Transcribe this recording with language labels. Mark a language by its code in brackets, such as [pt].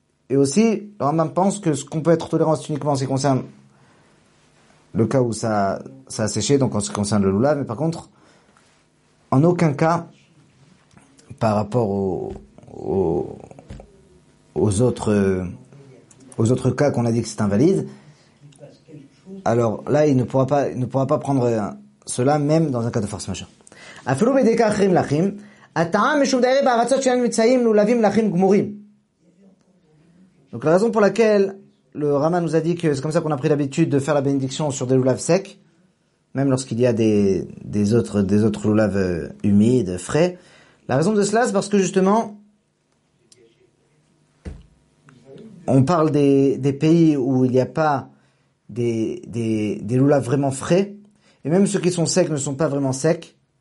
[fr] Et aussi, le Rama pense que ce qu'on peut être tolérant, c'est uniquement en ce qui concerne le cas où ça a séché, donc en ce qui concerne le loulav, mais par contre, en aucun cas, par rapport aux autres cas qu'on a dit que c'est invalide, alors là, il ne pourra pas prendre cela, même dans un cas de force majeure. [he] אפילו בדיקה אחרים לחים, הטעם משום דערי בארצות שאין מצאים לולבים לחים גמורים. [fr] Donc la raison pour laquelle le Rama nous a dit que c'est comme ça qu'on a pris l'habitude de faire la bénédiction sur des loulaves secs, même lorsqu'il y a des autres loulaves humides, frais. La raison de cela, c'est parce que justement, on parle des pays où il n'y a pas des loulaves vraiment frais, et même ceux qui sont secs ne sont pas vraiment secs.